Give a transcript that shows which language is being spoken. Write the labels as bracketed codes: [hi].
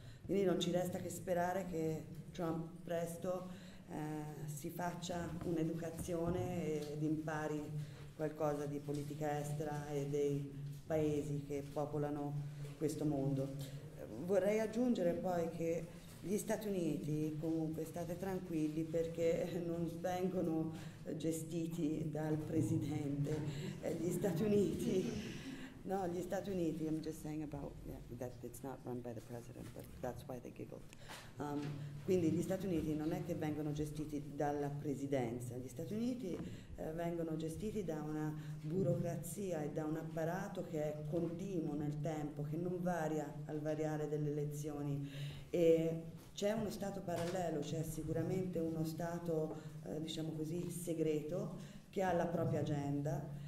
[it] Quindi non ci resta che sperare che Trump presto si faccia un'educazione ed impari qualcosa di politica estera e dei paesi che popolano questo mondo. Vorrei aggiungere poi che gli Stati Uniti, comunque, state tranquilli, perché non vengono gestiti dal presidente. [en] Gli Stati Uniti, I'm just saying about, that it's not run by the president, but that's why they giggled. [it] Quindi gli Stati Uniti non è che vengono gestiti dalla presidenza, gli Stati Uniti vengono gestiti da una burocrazia e da un apparato che è continuo nel tempo, che non varia al variare delle elezioni. E c'è uno stato parallelo, c'è sicuramente uno stato, diciamo così, segreto, che ha la propria agenda.